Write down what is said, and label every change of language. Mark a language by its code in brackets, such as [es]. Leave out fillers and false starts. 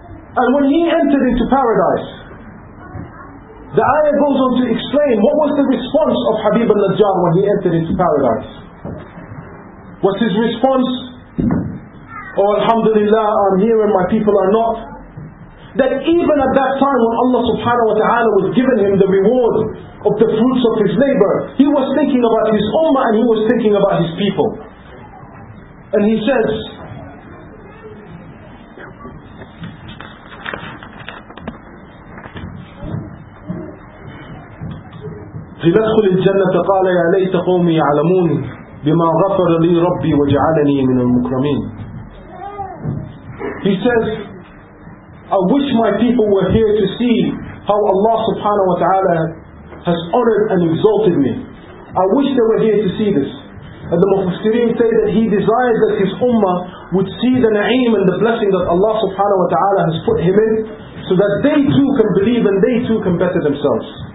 [en] And when he entered into paradise, the ayah goes on to explain what was the response of Habib al-Najjar when he entered into paradise. What's his response? Oh, alhamdulillah, I'm here and my people are not. That even at that time when Allah subhanahu wa ta'ala was giving him the reward of the fruits of his labor, he was thinking about his ummah and he was thinking about his people. And he says, [ar] لِدَخُلِ الْجَنَّةَ قَالَ يَا لَيْتَ قَوْمِي يَعْلَمُونِ بِمَا غَفَرَ لِي رَبِّي وَجَعَلَنِي مِنَ الْمُكْرَمِينَ. [en] He says, I wish my people were here to see how Allah subhanahu wa ta'ala has honored and exalted me. I wish they were here to see this. And the Mufassirin say that he desired that his ummah would see the na'im and the blessing that Allah subhanahu wa ta'ala has put him in, so that they too can believe and they too can better themselves.